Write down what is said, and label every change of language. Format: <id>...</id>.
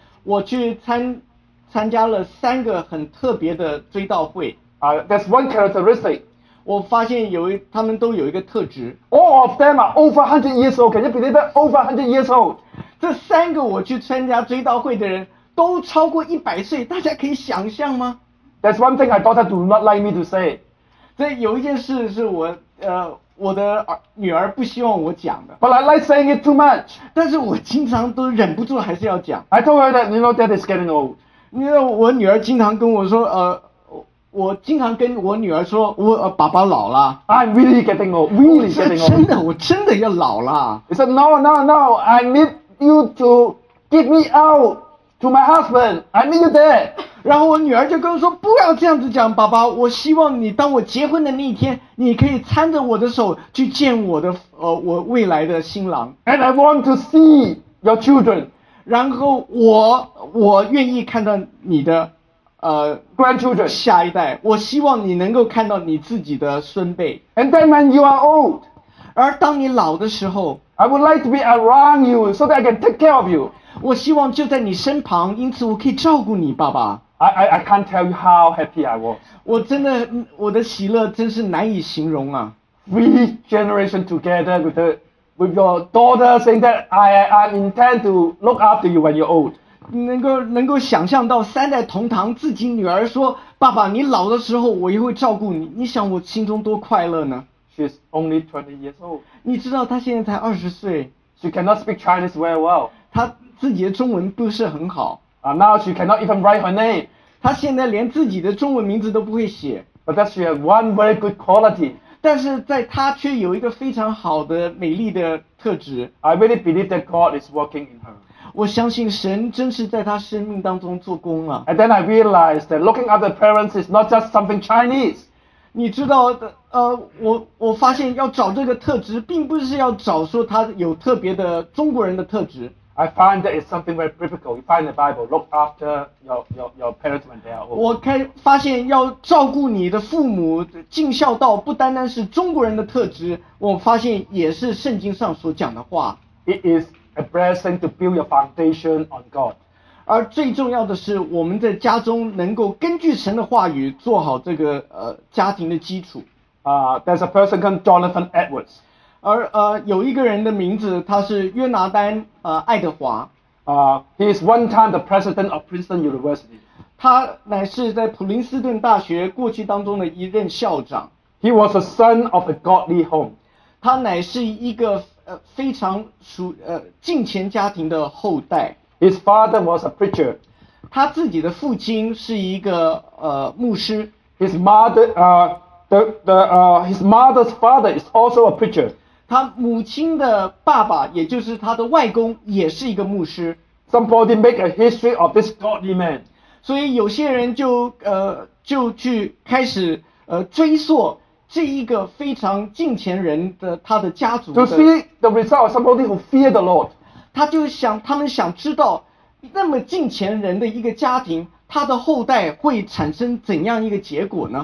<zh>我去参加了三个很特别的追悼会。</zh> <en>That's one characteristic.</en> <zh>我发现他们都有一个特质。</zh> <en>All of them are over 100 years old. Can you believe that? Over 100 years old.</en> <zh>这三个我去参加追悼会的人都超过100岁，大家可以想象吗？</zh> <en>That's one thing my daughter do not like me to say.</en> <zh>这有一件事是我的女儿不希望我讲的。</zh> <en>But I like saying it too much.</en> <zh>但是我经常都忍不住还是要讲。</zh> <en>I told her that, you know, dad is getting old.</en> <zh>因为我女儿经常跟我说，我经常跟我女儿说，我爸爸老了。</zh> <en>I'm really getting old, really getting old.</en> <zh>真的，我真的要老了。</zh> <en>He said, no, no, no, I need you to get me out. To my husband, I need you there.</en> <zh>然后我女儿就跟我说，不要这样子讲，爸爸，我希望你当我结婚的那一天，你可以搀着我的手去见我的我未来的新郎。</zh> <en>And I want to see your children.</en> <zh>然后我愿意看到你的</zh> <en>grandchildren</en> <zh>下一代，我希望你能够看到你自己的孙辈。</zh> <en>And then when you are old,</en> <zh>而当你老的时候，</zh> <en>I would like to be around you so that I can take care of you.</en> <zh>我希望就在你身旁，因此我可以照顾你，爸爸。</zh> <en>I can't tell you how happy I was.</en> <zh>我真的，我的喜乐真是难以形容啊。</zh> <en>Three generation together with your daughter saying that I intend to look after you when you're old.</en> <zh>能够想象到三代同堂，自己女儿说，爸爸，你老的时候我也会照顾你。你想我心中多快乐呢</zh> <en>？She's only 20 years old.</en> <zh>你知道她现在才20岁。</zh> <en>She cannot speak Chinese very well.</en> <zh>她自己的中文不是很好。</zh> <en>Now she cannot even write her name.</en> <zh>她现在连自己的中文名字都不会写。</zh> <en>But that she has one very good quality.</en> <zh>但是在她却有一个非常好的美丽的特质。</zh> <en>I really believe that God is working in her.</en> <zh>我相信神真是在她生命当中做工啊。</zh> <en>And then I realized that looking after parents is not just something Chinese.</en> <zh>你知道我发现要找这个特质并不是要找说她有特别的中国人的特质。</zh> <en>I find that it's something very biblical. You find the Bible. Look after your parents when they are old.</en> <zh>我发现要照顾你的父母尽孝道不单单是中国人的特质，我发现也是圣经上所讲的话。</zh> <en>It is a blessing to build your foundation on God.</en> <zh>而最重要的是，我们在家中能够根据神的话语做好这个家庭的基础。</zh> <en>There's a person called Jonathan Edwards.</en> <zh>而有一个人的名字，他是约拿丹爱德华。</zh> <en>He is one time the president of Princeton University.</en> <zh>他乃是在普林斯顿大学过去当中的一任校长。</zh> <en>He was a son of a godly home.</en> <zh>他乃是一个非常敬虔家庭的后代。</zh> <en>His father was a preacher.</en> <zh>他自己的父亲是一个牧师。</zh> <en>His mother his mother's father is also a preacher.</en> <zh>他母亲的爸爸，也就是他的外公，也是一个牧师。</zh> <en>Somebody make a history of this godly man.</en> <zh>所以有些人就去开始追溯这一个非常敬虔人的他的家族的。</zh> <en>To see the result of somebody who fear the Lord.</en> <zh>他们想知道那么敬虔人的一个家庭，他的后代会产生怎样一个结果呢</zh>